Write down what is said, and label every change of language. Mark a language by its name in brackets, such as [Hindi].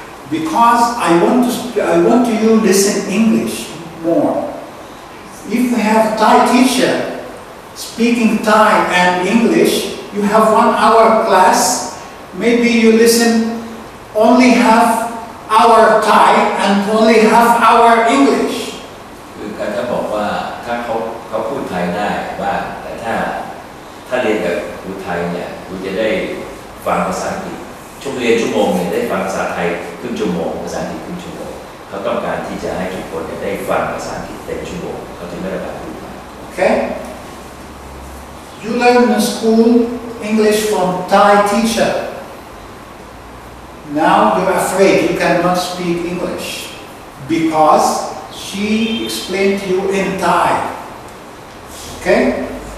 [English] Because I want you to listen English more. If we have Thai teacher speaking Thai and English, you have 1 hour class, maybe you listen only half hour Thai and only half hour English. [Thai] คือการจะบอกว่าถ้าเขาพูดไทยได้บ้างแต่ถ้าเรียนกับครูไทยเนี่ยคุณจะได้ฟังภาษาอังกฤษช่วงเรียนชั่วโมงเนี่ยได้ฟังภาษาไทยครึ่งชั่วโมงภาษาอังกฤษครึ่งชั่วโมงเขาต้องการที่จะให้ทุกคนได้ฟังภาษาอังกฤษเต็มชั่วโมงเขาถึงไม่ได้แบบนี้ [English] Okay. You learn in school English from Thai teacher. Now you're afraid you cannot speak English because she explained to you in Thai. Okay?